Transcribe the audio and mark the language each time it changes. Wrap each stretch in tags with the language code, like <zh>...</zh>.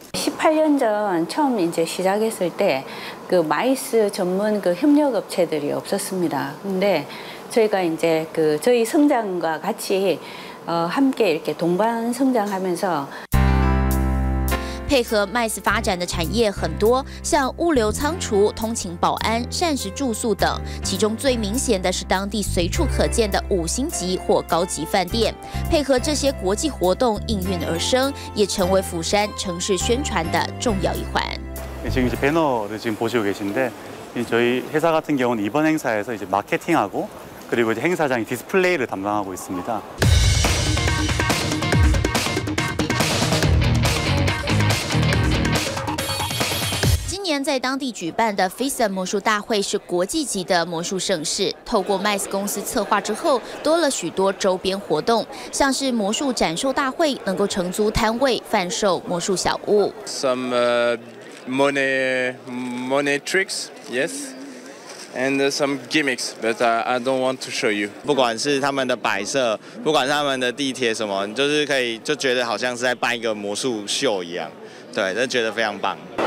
<ko>18년 전 처음 이제 시작했을 때 그 마이스 전문 그 협력 업체들이 없었습니다. 근데 저희가 이제 그 저희 성장과 같이 함께 이렇게 동반 성장하면서</ko> <zh>配合 MICE 发展的产业很多，像物流仓储、通勤保安、膳食住宿等。其中最明显的是当地随处可见的五星级或高级饭店，配合这些国际活动应运而生，也成为釜山城市宣传的重要一环。</zh> <ko>지금 이제 배너를 지금 보시고 계신데 저희 회사 같은 경우는 이번 행사에서 이제 마케팅하고 그리고 이제 행사장의 디스플레이를 담당하고 있습니다.</ko> <zh>在当地举办的 FISA 魔术大会是国际级的魔术盛事。透过 MICE 公司策划之后，多了许多周边活动，像是魔术展售大会能够承租摊位贩售魔术小物。</zh> <en>Some money tricks, yes, and some gimmicks, but I don't want to show you。</en> <zh>不管是他们的摆设，不管是他们的地铁什么，就是可以就觉得好像是在办一个魔术秀一样，对，就觉得非常棒。</zh>